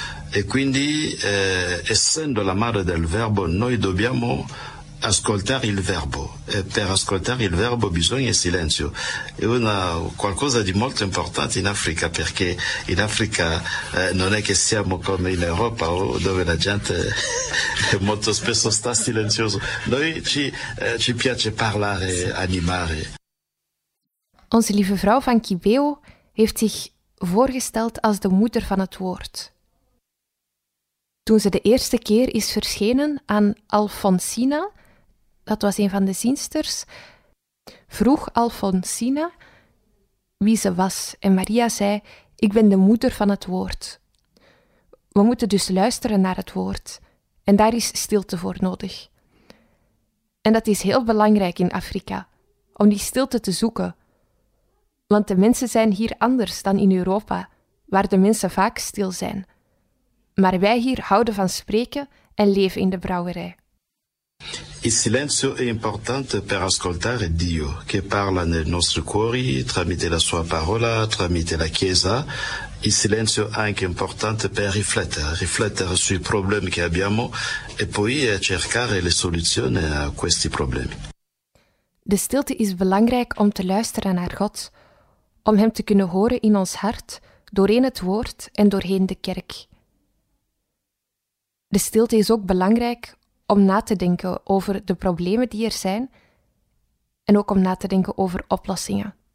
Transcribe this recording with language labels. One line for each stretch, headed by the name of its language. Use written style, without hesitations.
Italian: E quindi, essendo la madre del Verbo, noi dobbiamo ascoltare il Verbo, e per ascoltare il Verbo bisogna il silenzio. È una qualcosa di molto importante in Africa, perché in Africa non è che siamo come in Europa, dove la gente molto spesso sta silenzioso. Noi ci piace parlare, animare.
Dutch: Onze lieve vrouw van Kibeo heeft zich voorgesteld als de moeder van het woord. Toen ze de eerste keer is verschenen aan Alfonsina, dat was een van de zienster's, vroeg Alfonsina wie ze was. En Maria zei, ik ben de moeder van het woord. We moeten dus luisteren naar het woord. En daar is stilte voor nodig. En dat is heel belangrijk in Afrika, om die stilte te zoeken. Want de mensen zijn hier anders dan in Europa, waar de mensen vaak stil zijn. Maar wij hier houden van spreken en leven in de brouwerij.
Italian: Il silenzio è importante per ascoltare Dio che parla nei nostri cuori tramite la sua parola, tramite la Chiesa. Il silenzio è anche importante per riflettere sui problemi che abbiamo e poi cercare le soluzioni a questi problemi.
Dutch: De stilte is belangrijk om te luisteren naar God, om hem te kunnen horen in ons hart, doorheen het woord en doorheen de kerk. De stilte is ook belangrijk om na te denken over de problemen die er zijn en ook om na te denken over oplossingen.